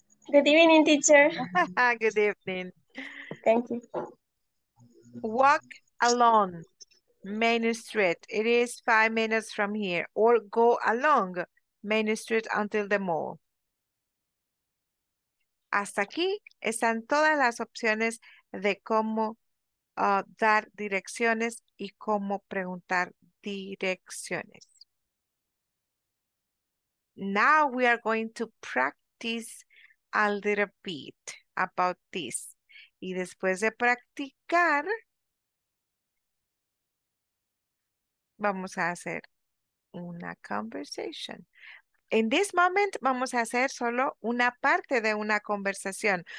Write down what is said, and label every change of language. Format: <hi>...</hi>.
<en>Good evening, teacher. Good evening. Thank you. Walk along Main Street. It is 5 minutes from here. Or go along Main Street until the mall.</en> <es>Hasta aquí están todas las opciones de cómo dar direcciones y cómo preguntar direcciones.</es> <en>Now we are going to practice a little bit about this.</en> <es>Y después de practicar, vamos a hacer una</es> <en>conversation. In this moment,</en> <es>vamos a hacer solo una parte de una conversación.</es>